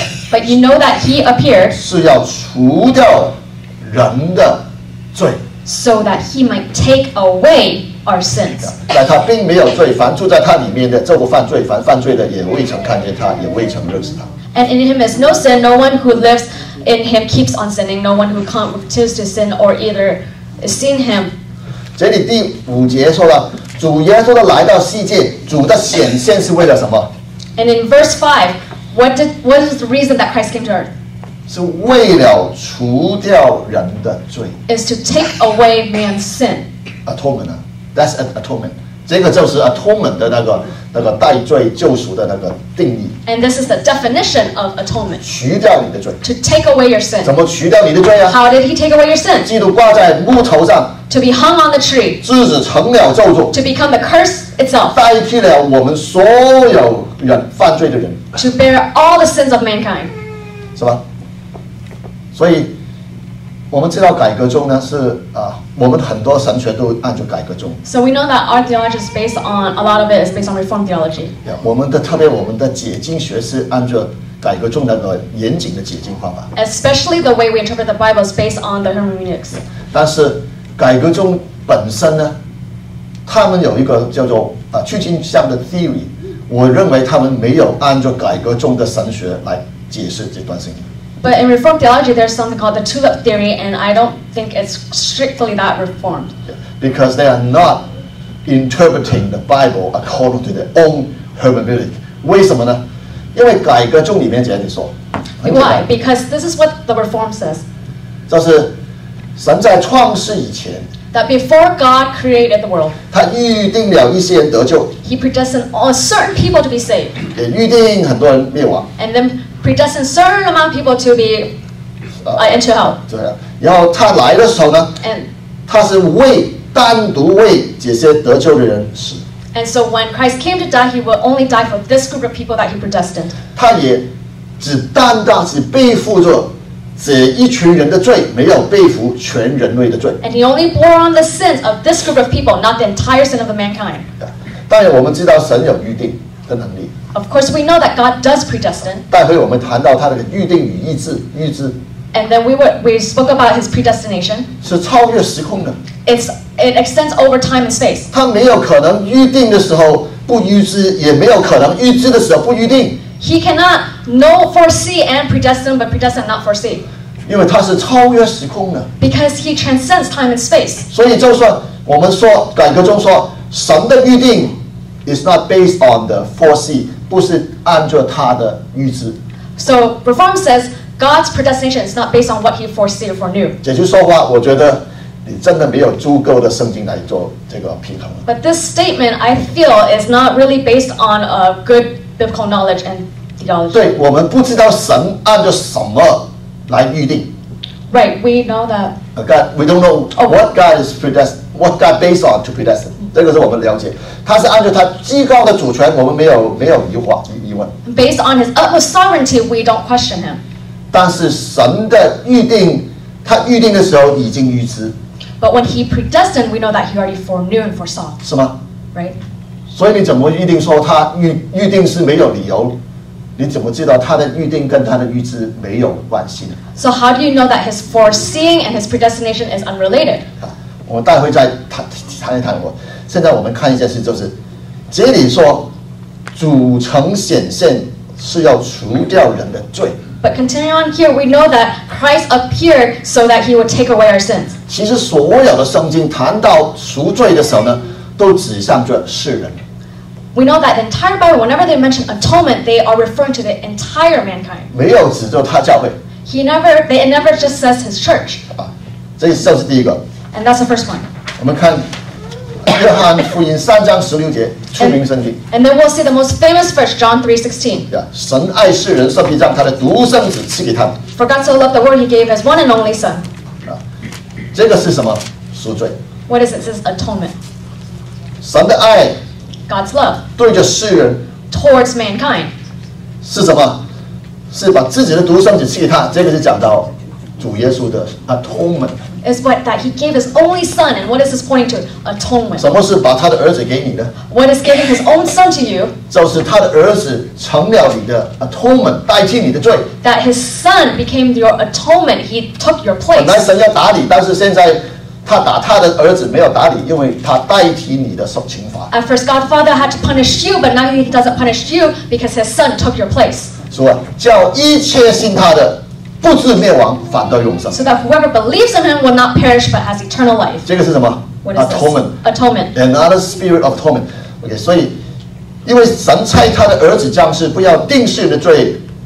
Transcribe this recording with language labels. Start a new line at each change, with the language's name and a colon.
English: But you know that he appeared.
Chinese: 是要除掉。人的罪
English: ，so that he might take away our sins。
Chinese: 但他并没有罪，凡住在他里面的就不犯罪，凡犯罪的也未曾看见他，也未曾认识他。
English: And in him is no sin. No one who lives in him keeps on sinning. No one who continues to sin or either seen him。
Chinese: 这里第五节说了，主耶稣的来到世界，主的显现是为了什么
English: ？And in verse 5, What is the reason that Christ came to earth?
Chinese: 是为了除掉人的罪。
English: Is to take away man's sin. Atonement. That's an atonement.
Chinese: 这个就是 atonement 的那个代罪救赎的那个定义。
English: And this is the definition of atonement.
Chinese: 除掉你的罪。
English: To take away your sin.
Chinese: 怎么除掉你的罪啊？
English: How did he take away your sin?
Chinese: 基督挂在木头上。
English: To be hung on the tree.
Chinese: 自己成了咒诅。
English: To become the curse itself.
Chinese: 代替了我们所有人犯罪的人。 To bear all the sins of mankind. 是吧？所以我们知道改革宗呢是我们很多神学都按照改革宗。
English: So we know that our theology is based on a lot of it is based on Reformed theology.
Chinese: Yeah, 我们的特别我们的解经学是按照改革宗那个严谨的解经方法。
English: Especially the way we interpret the Bible is based on the hermeneutics.
Chinese: 但是改革宗本身呢，他们有一个叫做去镜像的 theory， 我认为他们没有按照改革宗的神学来解释这段圣经。
English: But in Reformed theology, there's something called the tulip theory, and I don't think it's strictly that Reformed. Because they are not interpreting the Bible according to their own hermeneutic.
Chinese: 为什么呢？因为改革宗里面这样说。
English: Why? Because this is what the Reformed says.
Chinese: 就是神在创世以前。
English: That before God created the world.
Chinese: 他预定了一些人得救。
English: He predestined a certain people to be saved.
Chinese: 也预定很多人灭亡。
English: And then. Predestined a certain amount of people to be into hell.
Chinese: 对啊，然后他来的时候呢，他是为单独为这些得救的人死。
English: And so when Christ came to die, he would only die for this group of people that he predestined.
Chinese: 他也只单单是背负着这一群人的罪，没有背负全人类的罪。
English: And he only bore on the sins of this group of people, not the entire sin of the mankind.
Chinese: 当然，我们知道神有预定的能力。
English: Of course, we know that God does predestine.
Chinese: 待会我们谈到他的预定与预知，预知。
English: And then we spoke about his predestination.
Chinese: 是超越时空的。
English: It extends over time and space.
Chinese: 他没有可能预定的时候不预知，也没有可能预知的时候不预定。
English: He cannot know foresee and predestine, but predestine not foresee.
Chinese: 因为他是超越时空的。
English: Because he transcends time and space.
Chinese: 所以就算我们说改革中说神的预定。
English: It's not based on the foresee,
Chinese: 不是按照他的预知。
English: So Reform says God's predestination is not based on what he foresee for new.
Chinese: 这句说话，我觉得你真的没有足够的圣经来做这个平衡。
English: But this statement, I feel, is not really based on a good biblical knowledge and theology.
Chinese: 对，我们不知道神按照什么来预定。
English: Right, we know that. God, we don't know what God is predestined. What God based on to predestine.
Chinese: 这个是我们了解。他是按照他至高的主权，我们没有疑问。
English: Based on his utmost sovereignty, we don't question him.
Chinese: 但是神的预定，他预定的时候已经预知。
English: But when he predestined, we know that he already foreknew and foresaw.
Chinese: 是吗？
English: Right.
Chinese: 所以你怎么预定说他预定是没有理由？你怎么知道他的预定跟他的预知没有关系呢？
English: So how do you know that his foreseeing and his predestination is unrelated?
Chinese: 我们待会再谈一谈我。现在我们看一件事，就是这里说主成显现是要除掉人的罪。
English: But continuing on here, we know that Christ appeared so that he would take away our sins.
Chinese: 其实所有的圣经谈到赎罪的时候呢，都指向着世人。
English: We know that the entire Bible, whenever they mention atonement, they are referring to the entire mankind.
Chinese: 没有指着他教会。
English: It never just says his church.
Chinese: 这就是第一个。
English: And that's the first one.
Chinese: 我们看。约翰福音三章十六节，出名圣经。
English: And then we'll see the most famous verse, John 3:16.
Chinese: Yeah, 神爱世人，甚至将他的独生子赐给他们。
English: For God so loved the world, he gave his one and only son.
Chinese: 这个是什么？赎罪。
English: What is it? It's atonement.
Chinese: 神的爱。
English: God's love.
Chinese: 对着世人。
English: Towards mankind.
Chinese: 是什么？是把自己的独生子赐给他。这个是讲到主耶稣的 atonement。
English: Is what that he gave his only son, and what is this pointing to? Atonement.
Chinese: 什么是把他的儿子给你的？
English: What is giving his own son to you?
Chinese: 就是他的儿子成了你的 atonement, 代替你的罪。
English: That his son became your atonement, he took your place.
Chinese: 本来神要打你，但是现在他打他的儿子没有打你，因为他代替你的受刑罚。
English: At first, God Father had to punish you, but now he doesn't punish you because his son took your place.
Chinese: 主啊，叫一切信他的。不至灭亡，反倒永生。
English: So that whoever believes in him will not perish, but has eternal life.
Chinese: 这个是什么
English: ？What is atonement? Atonement. Another spirit of atonement. Okay,
Chinese: 所以，因为神差他的儿子降世，不要定世人的罪，